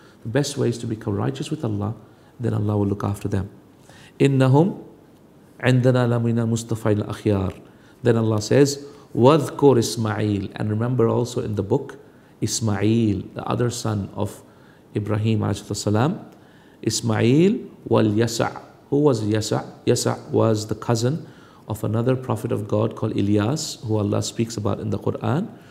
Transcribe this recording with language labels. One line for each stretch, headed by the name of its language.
English: The best way is to become righteous with Allah, then Allah will look after them.
Arabic: Innahum عندنا لمن المصطفين الأخيار.
English: Then Allah says,
Arabic: وَذْكُرْ إسماعيل.
English: And remember also in the book, Ismail, the other son of Ibrahim
Arabic: عليه السلام.
English: Ismail واليسع. Who was Yasa? Yasa was the cousin of another prophet of God called Ilyas, who Allah speaks about in the Quran.